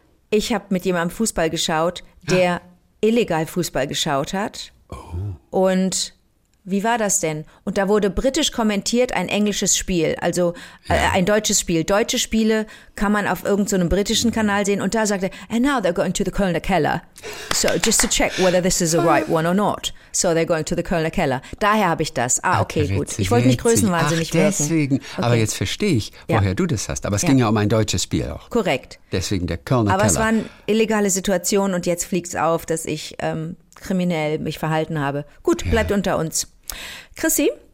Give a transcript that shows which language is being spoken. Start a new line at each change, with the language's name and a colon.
German: Ich habe mit jemandem Fußball geschaut, der illegal Fußball geschaut hat. Oh. Und wie war das denn? Und da wurde britisch kommentiert ein englisches Spiel, also ein deutsches Spiel. Deutsche Spiele kann man auf irgendeinem britischen Kanal sehen. Und da sagte er,
English: and now they're going to the Kölner Keller. So just to check whether this is the right one or not. So they're going to the Kölner Keller.
German: Daher habe ich das. Ah, okay, ach, gut. Ich wollte mich größenwahnsinnig wirken. Deswegen. Okay. Aber jetzt verstehe ich, woher du das hast. Aber es ging ja um ein deutsches Spiel auch. Korrekt. Deswegen der Kölner Keller. Aber es waren illegale Situationen und jetzt fliegt es auf, dass ich kriminell mich verhalten habe. Gut, bleibt unter uns. Chrissy?